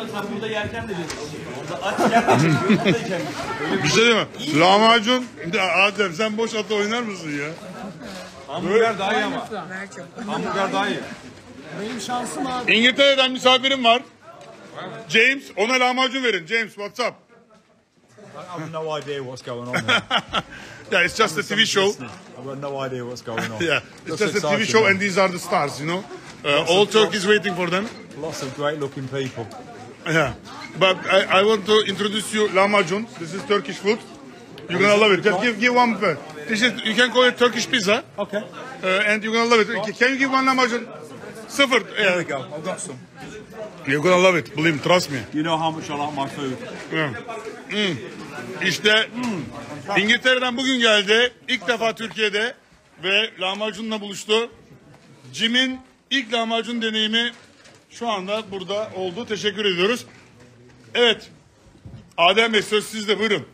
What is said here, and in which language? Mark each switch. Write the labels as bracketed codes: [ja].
[tr] sen burada yerken de orada aç yerken de bir şey değil mi? Lahmacun, Adem sen boş ata oynar mısın ya? Hamburger daha iyi ama. Hamburger daha iyi. Benim şansım abi. İngiltere'den misafirim var. James, ona lahmacun verin. James, [en] what's up? I have no idea what's going on there. Yeah, it's just a TV show. Listening. I have no idea what's going on. Yeah, it's just a TV show and these are the stars, you know. All Turkey is waiting for them. Lots of great looking people. Yeah, but I want to introduce you lahmacun. This is Turkish food. You're going to love it. Just give one. This is, you can call it Turkish pizza. Okay. And you're going to love it. Can you give one lahmacun? [tr] Sıfır. [en] There we go. I've got some. You're gonna love it. Believe me. Trust me. You know how much I like my food. Yeah. Mm. [tr] İşte İngiltere'den bugün geldi. İlk defa Türkiye'de ve lahmacunla buluştu. Jim'in ilk lahmacun deneyimi şu anda burada oldu. Teşekkür ediyoruz. Evet. Adem Bey söz sizde. Buyurun.